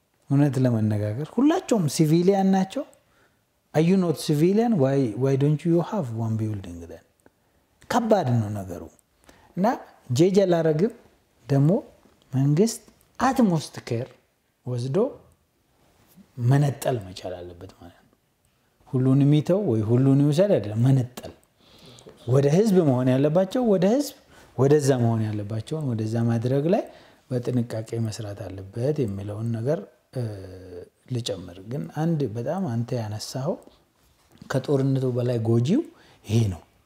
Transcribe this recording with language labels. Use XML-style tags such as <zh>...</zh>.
<am>እውነት ለመነጋገር ሁላቸውም civilian ናቸው?</am> <en>Are you not civilian? Why don't you have one building then?</en> <am>ከባድ ነው ነገሩ። እና ጄጅ አላረግም ደሞ መንግስት አትሞስት ኬር ወዝዶ መነጠል መቻል አለበት ማለት ነው። ሁሉንም ይተው ወይ ሁሉንም ይሰደድ አይደለም መነጠል። ወደ ህዝብ መሆን ያለባቸው ወደ ህዝብ ወደዛ መሆን ያለባቸው ወደዛ ማድረግ ላይ በጥንቃቄ መስራት አለበት የሚለውን ነገር ልጨምር። ግን አንድ በጣም አንተ ያነሳው ከጦርነቱ በላይ ጎጂው ይሄ ነው።</am>